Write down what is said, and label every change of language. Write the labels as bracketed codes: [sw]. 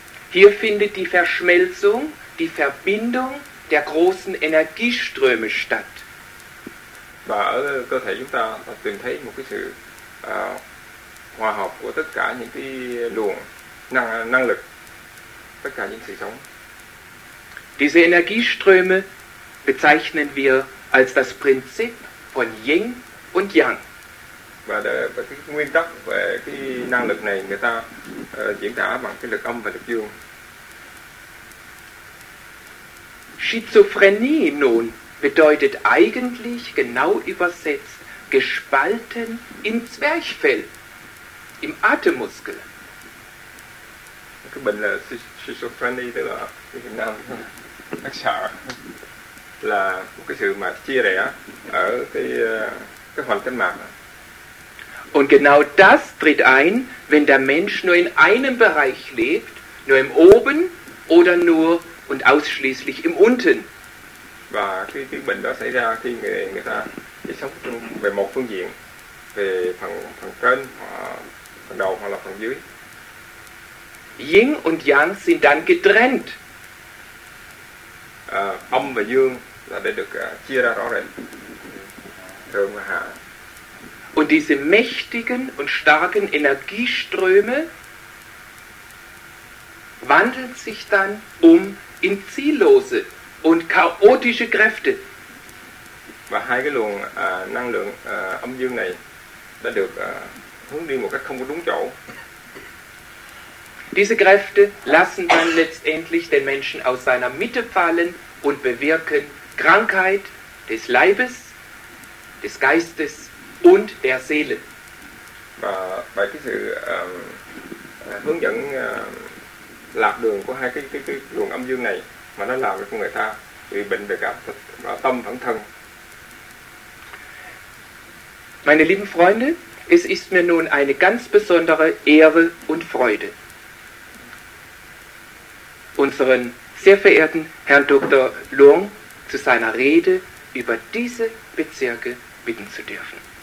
[de] Hier findet die Verschmelzung, die Verbindung der großen Energieströme statt. [vi] Và ở cơ thể chúng ta tìm thấy một cái sự hòa hợp của tất cả những cái luồng năng lực, tất cả những sự sống. [de] Diese Energieströme bezeichnen wir als das Prinzip von Yin und Yang. [vi] Và cái nguyên tắc về cái năng lực này người ta diễn tả bằng cái lực âm và lực dương. [de] Schizophrenie nun bedeutet eigentlich genau übersetzt gespalten im Zwerchfell, im Atemmuskel. [vi] Cái bệnh là Schizophrenie tức là cái năng lực là một cái sự mà chia rẽ ở cái hoàn cảnh mạng. [de] Und genau das tritt ein, wenn der Mensch nur in einem Bereich lebt, nur im Oben oder nur und ausschließlich im Unten. [vi] Và cái bệnh đó xảy ra khi người ta chỉ sống về một phương diện, về phần trên, phần đầu hoặc là phần dưới. [de] Yin und Yang sind dann getrennt. [vi] Âm và dương là để được chia ra rõ rệt, thượng và hạ. [de] Und diese mächtigen und starken Energieströme wandeln sich dann um in ziellose und chaotische Kräfte. [vi] Và hai cái luồng năng lượng âm dương này đã được hướng đi một cách không có đúng chỗ. [de] Diese Kräfte lassen dann letztendlich den Menschen aus seiner Mitte fallen und bewirken Krankheit des Leibes, des Geistes und der Seele. [vi] Và cái sự hướng dẫn lạc đường của hai cái luồng âm dương này mà nó làm cho người ta bị bệnh về cả tâm lẫn thân. [de] Meine lieben Freunde, es ist mir nun eine ganz besondere Ehre und Freude, unseren sehr verehrten Herrn Dr. Luong zu seiner Rede über diese Bezirke bitten zu dürfen.